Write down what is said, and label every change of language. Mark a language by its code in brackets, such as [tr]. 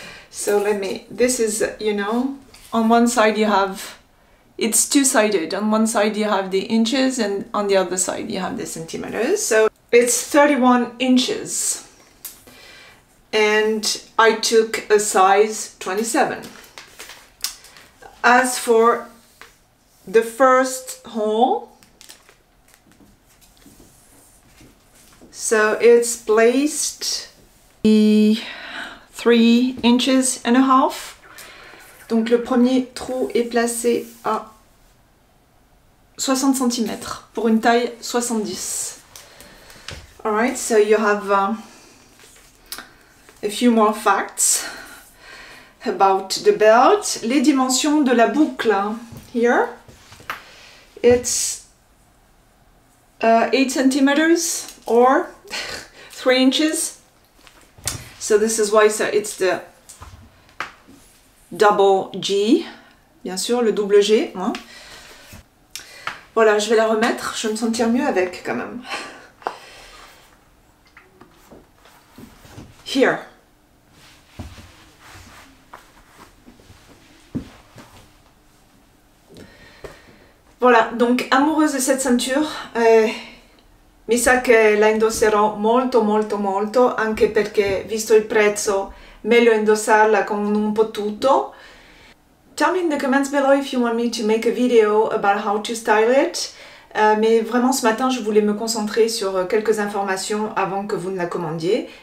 [en] So let me, this is, you know, on one side you have, it's two-sided, on one side you have the inches and on the other side you have the centimeters, so it's 31 inches and I took a size 27. As for the first hole, so it's placed 3.5 inches. [fr] Donc le premier trou est placé à 60 cm pour une taille 70. [en] Alright, so you have a few more facts about the belt. [fr] Les dimensions de la boucle, [en] here, it's 8 cm or 3 inches, so this is why, so it's the double G, [fr] bien sûr, le double G, hein. Voilà, je vais la remettre, je vais me sentir mieux avec, quand même. [en] Here. [fr] Voilà, donc amoureuse de cette ceinture, [it] mi sa che la indosserò molto molto molto, anche perché visto il prezzo, meglio indossarla con un po' tutto. [en] Tell me in the comments below if you want me to make a video about how to style it. [fr] Mais vraiment ce matin, je voulais me concentrer sur quelques informations avant que vous ne la commandiez.